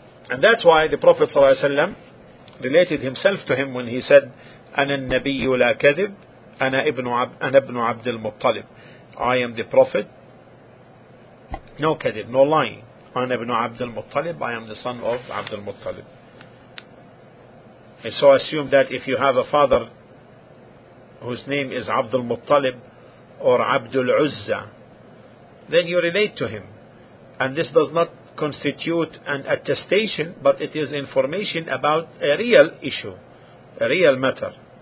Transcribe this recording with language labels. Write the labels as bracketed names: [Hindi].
[English] And that's why the Prophet ﷺ related himself to him when he said, [Arabic] أنا النبي لا كذب أنا ابن عبد المطلب. [English] I am the Prophet, no كذب, no lying. [Arabic] أنا ابن عبد المطلب, [English] I am the son of عبد المطلب. And so assume that if you have a father whose name is عبد المطلب or عبد العزة, then you relate to him. And this does not constitute an attestation, but it is information about a real issue, a real matter.